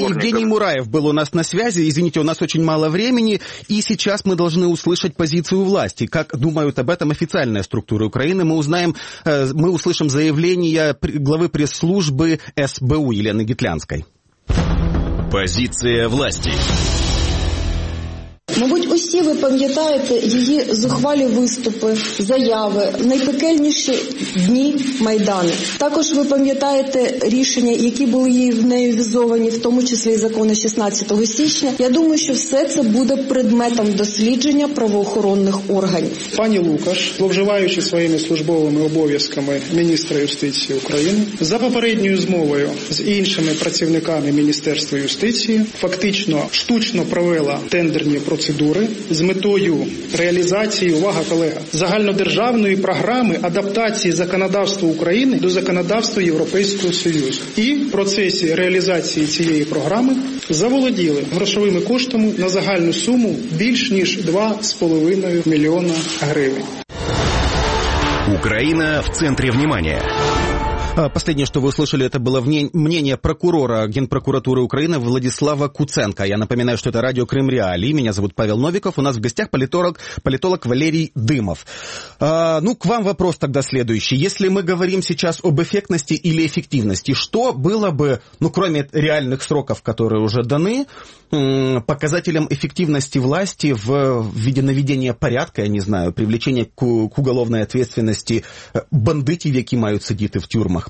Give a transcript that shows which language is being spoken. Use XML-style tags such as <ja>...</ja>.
<ru>Евгений Мураев был у нас на связи. Извините, у нас очень мало времени. И сейчас мы должны услышать позицию власти. Как думают об этом официальные структуры Украины, мы узнаем, мы услышим заявление главы пресс-службы СБУ Елены Гетлянской. Позиция власти.</ru> <uk>Мабуть, усі ви пам'ятаєте її зухвалі виступи, заяви, найпекельніші дні Майдану. Також ви пам'ятаєте рішення, які були її в неї візовані, в тому числі і закони 16 січня. Я думаю, що все це буде предметом дослідження правоохоронних органів. Пані Лукаш, зловживаючи своїми службовими обов'язками міністра юстиції України, за попередньою змовою з іншими працівниками Міністерства юстиції, фактично штучно провела тендерні процедури з метою реалізації, увага, колега, загальнодержавної програми адаптації законодавства України до законодавства Європейського Союзу. І в процесі реалізації цієї програми заволоділи грошовими коштами на загальну суму більш ніж 2,5 мільйона гривень. Україна в центрі уваги.</uk> <ru>Последнее, что вы услышали, это было мнение прокурора Генпрокуратуры Украины Владислава Куценко. Я напоминаю, что это радио «Крым Реалии». Меня зовут Павел Новиков. У нас в гостях политолог Валерий Дымов. Ну, к вам вопрос тогда следующий. Если мы говорим сейчас об эффектности или эффективности, что было бы, ну, кроме реальных сроков, которые уже даны, показателем эффективности власти в виде наведения порядка, я не знаю, привлечения к уголовной ответственности бандитов, которые мают сидеть в тюрьме?</ru>